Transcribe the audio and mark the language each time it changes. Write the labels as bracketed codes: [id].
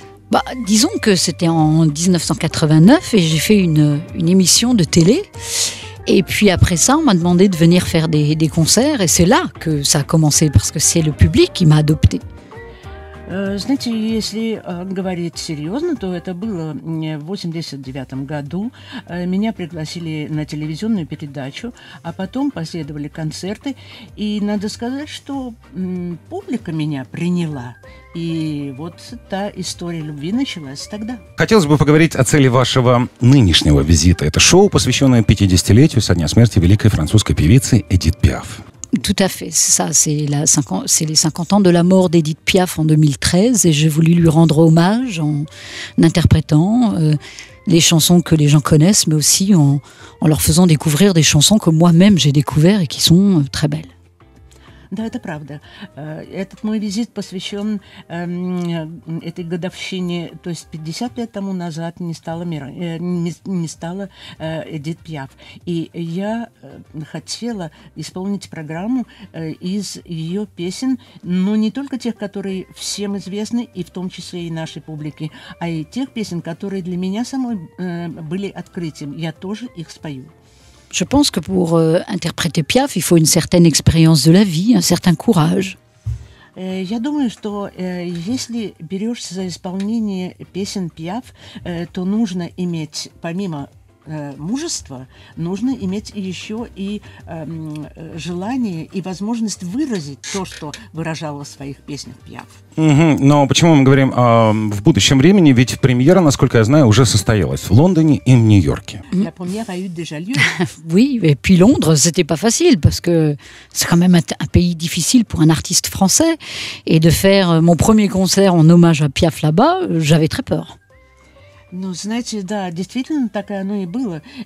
[fr] Bah, disons que c'était en 1989 et j'ai fait une émission de télé. Et puis après ça, on m'a demandé de venir faire des concerts et c'est là que ça a commencé parce que c'est le public qui m'a adopté. [ru] Знаете, если говорить серьезно, то это было в 89 году. Меня пригласили на телевизионную передачу, а потом последовали концерты. И надо сказать, что публика меня приняла. И вот та история любви началась тогда. Хотелось бы поговорить о цели вашего нынешнего визита. Это шоу, посвященное 50-летию со дня смерти великой французской певицы Эдит Пиаф. [fr] Tout à fait, c'est ça, c'est les 50 ans de la mort d'Edith Piaf en 2013 et j'ai voulu lui rendre hommage en interprétant les chansons que les gens connaissent mais aussi en leur faisant découvrir des chansons que moi-même j'ai découvertes et qui sont très belles. [ru] Да, это правда. Этот мой визит посвящен этой годовщине, то есть 50 лет тому назад не стала Эдит Пиаф. И я хотела исполнить программу из ее песен, но не только тех, которые всем известны, и в том числе и нашей публике, а и тех песен, которые для меня самой были открытием. Я тоже их спою. [fr] Je pense que pour interpréter Piaf, il faut une certaine expérience de la vie, un certain courage. [ru] Я думаю, что если берешься за исполнение песен Пиаф, то нужно иметь, помимо мужества, нужно иметь еще и желание и возможность выразить то, что выражала в своих песнях Пиаф. Но почему мы говорим в будущем времени? Ведь премьера, насколько я знаю, уже состоялась в Лондоне и в Нью-Йорке. [fr] La première a eu déjà lieu. Oui, et puis Londres, c'était pas facile, parce que c'est quand même un pays difficile pour un artiste français. Et de faire mon premier concert en hommage à Piaf là-bas, j'avais très peur. [ru] Ну, знаете, да, действительно, так оно и было.